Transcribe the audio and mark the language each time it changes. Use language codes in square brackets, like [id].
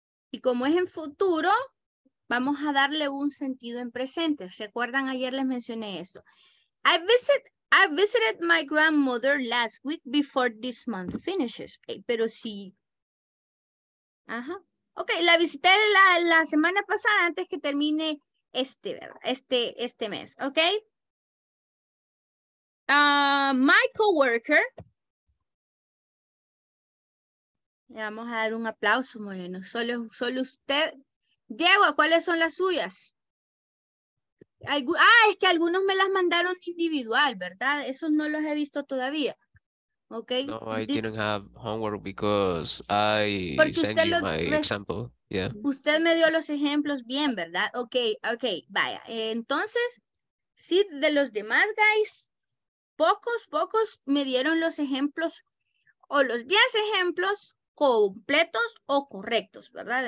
[es] Y como es en futuro, vamos a darle un sentido en presente. ¿Recuerdan? Ayer les mencioné esto. [en] I visited my grandmother last week before this month finishes. [es] Okay, pero sí. Ajá. Ok, la visité la semana pasada antes que termine este, ¿verdad? Este mes. Ok. [en] My coworker. [es] Le vamos a dar un aplauso, Moreno. Solo usted. Diego, ¿cuáles son las suyas? Es que algunos me las mandaron individual, ¿verdad? Esos no los he visto todavía. ¿Ok? [en] No, I didn't have homework because I sent you my example. Yeah. [es] Usted me dio los ejemplos bien, ¿verdad? Ok, vaya. Entonces, sí, de los demás, guys, pocos me dieron los ejemplos o los 10 ejemplos completos o correctos, ¿verdad?